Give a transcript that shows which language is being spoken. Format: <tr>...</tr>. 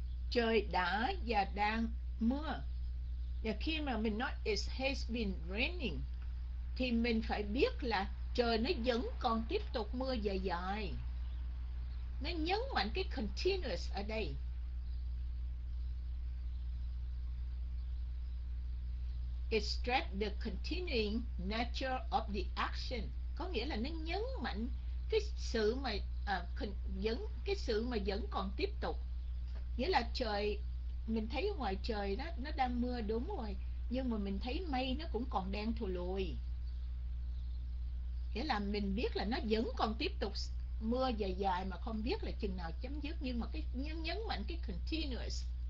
<vi>Trời đã và đang mưa. Và khi mà mình nói</vi> <en>it has been raining</en> <vi>thì mình phải biết là trời nó vẫn còn tiếp tục mưa dài dài. Nó nhấn mạnh cái continuous ở đây.</vi> <en>It stressed the continuing nature of the action.</en> <vi>Có nghĩa là nó nhấn mạnh cái sự mà vẫn cái sự mà vẫn còn tiếp tục. Nghĩa là trời mình thấy ngoài trời đó nó đang mưa đúng rồi, nhưng mà mình thấy mây nó cũng còn đen thù lùi. Nghĩa là mình biết là nó vẫn còn tiếp tục mưa dài dài mà không biết là chừng nào chấm dứt, nhưng mà cái nhấn mạnh cái continuous.</vi>